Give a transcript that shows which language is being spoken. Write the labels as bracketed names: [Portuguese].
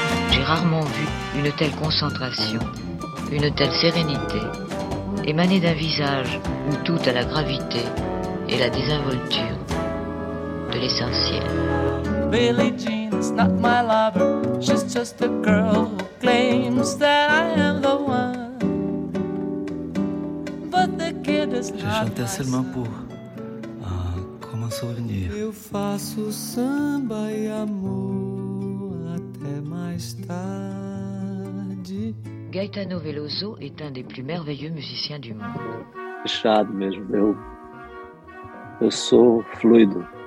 [French] J'ai rarement vu une telle concentration, une telle sérénité, émaner d'un visage où tout a la gravité et la désinvolture de l'essentiel. [English] Billie Jean is not my lover. She's just a girl who claims that I am the one. But the kid is not. [French] Je chantais seulement pour comme un souvenir. [Portuguese] Eu faço samba e amor até mais tarde. [French] Gaetano Veloso est un des plus merveilleux musiciens du monde. [Portuguese] Fechado mesmo, eu sou fluido.